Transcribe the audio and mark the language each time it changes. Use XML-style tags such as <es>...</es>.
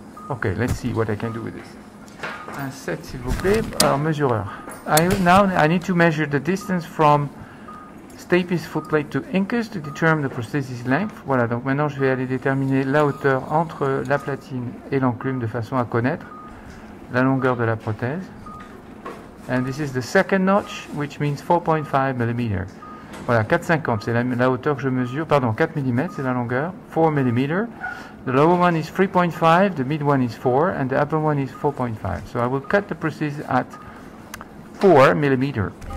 <en>Okay, let's see what I can do with this.</en> <fr>Un set, s'il vous plaît. Alors, mesureur.</fr> <en>I need to measure the distance from stapes footplate to incus to determine the prosthesis length.</en> <fr>Voilà, donc maintenant je vais aller déterminer la hauteur entre la platine et l'enclume de façon à connaître la longueur de la prothèse.</fr> <en>And this is the second notch, which means 4.5 millimeter.</en> <fr>Voilà, 4.50, c'est la hauteur que je mesure. Pardon, 4 mm, c'est la longueur. 4 millimeter.</fr> <en>The lower one is 3.5, the mid one is 4, and the upper one is 4.5. So I will cut the prosthesis at 4 millimeter.</en>